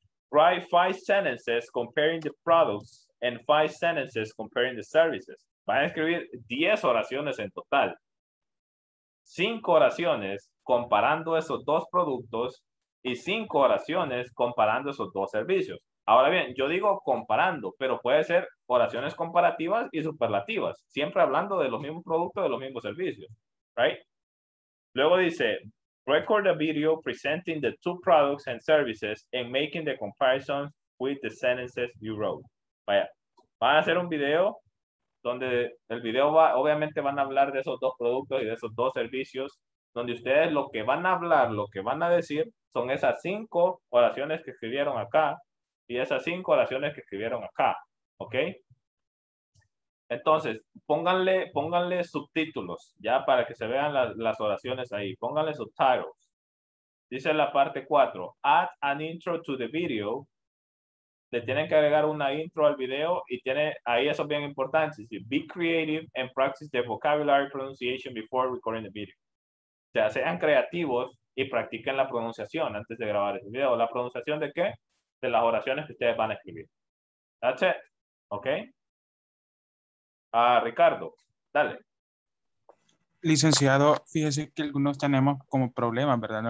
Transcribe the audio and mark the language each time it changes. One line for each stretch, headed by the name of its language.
English: Write five sentences comparing the products and five sentences comparing the services.
Spanish: Van a escribir 10 oraciones en total. 5 oraciones comparando esos dos productos y 5 oraciones comparando esos dos servicios. Ahora bien, yo digo comparando, pero puede ser oraciones comparativas y superlativas, siempre hablando de los mismos productos, de los mismos servicios, right? Luego dice,
English: record a video presenting the two products and services and making the comparison with the sentences you wrote.
Spanish: Vaya, van a hacer un video donde el video va, obviamente van a hablar de esos dos productos y de esos dos servicios, donde ustedes lo que van a hablar, lo que van a decir, son esas 5 oraciones que escribieron acá y esas 5 oraciones que escribieron acá, ¿ok? Entonces, pónganle subtítulos, ya para que se vean las oraciones ahí. Pónganle subtitles. Dice la parte 4.
English: Add an intro to the video.
Spanish: Le tienen que agregar una intro al video y tiene, ahí eso es bien importante.
English: Dice, be creative and practice the vocabulary pronunciation before recording the video.
Spanish: O sea, sean creativos y practiquen la pronunciación antes de grabar el video. ¿La pronunciación de qué? De las oraciones que ustedes van a escribir.
English: That's it. ¿Ok?
Spanish: Ricardo, dale. Licenciado, fíjese que algunos tenemos como problemas, ¿verdad?